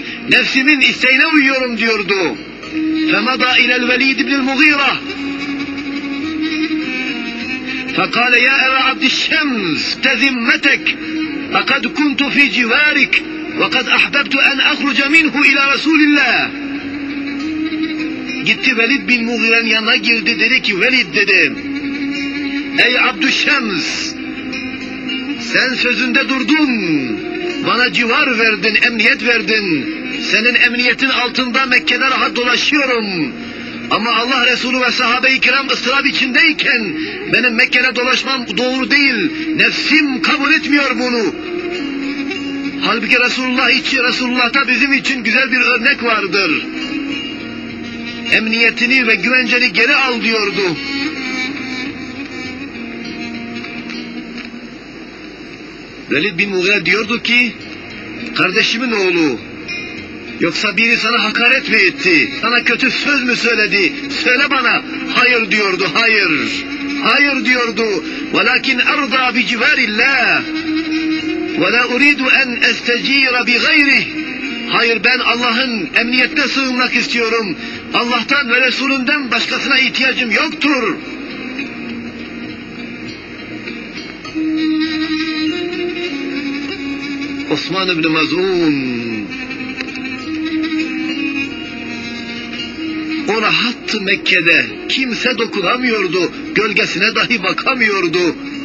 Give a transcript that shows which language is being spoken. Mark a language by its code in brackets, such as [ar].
[tr] Nefsimin isteğine uyuyorum diyordu. [ar] فَمَدَا اِلَى الْوَل۪يدِ بْنِ الْمُغِيرَةِ فَقَالَ يَا اَوَا عَبْدِ الشَّمْزِ تَذِمَّتَكَ لَقَدْ كُنْتُ ف۪ي جِوَارِكَ وَقَدْ اَحْبَبْتُ اَنْ اَخْرُجَ مِنْهُ اِلَى رَسُولِ اللّٰهِ [tr] Gitti Velid bin Mughire'nin yanına girdi, dedi ki, Velid dedi, ey Abdüşşems, sen sözünde durdun, bana civar verdin, emniyet verdin. Senin emniyetin altında Mekke'de rahat dolaşıyorum. Ama Allah Resulü ve sahabe-i kiram ıstırap içindeyken benim Mekke'de dolaşmam doğru değil. Nefsim kabul etmiyor bunu. Halbuki Resulullah'ta bizim için güzel bir örnek vardır. Emniyetini ve güvenceni geri al diyordu. Velid bin Mughire diyordu ki, kardeşimin oğlu, yoksa biri sana hakaret mi etti? Sana kötü söz mü söyledi? Söyle bana. Hayır diyordu, hayır. Hayır diyordu. [ar] وَلَكِنْ اَرْضَى بِجِوَارِ اللّٰهِ وَلَا اُرِيدُ اَنْ اَسْتَج۪يرَ بِغَيْرِهِ [tr] Hayır, ben Allah'ın emniyette sığınmak istiyorum. Allah'tan ve Resulünden başkasına ihtiyacım yoktur. Osman ibn-i Mazun, o rahattı Mekke'de, kimse dokunamıyordu, gölgesine dahi bakamıyordu.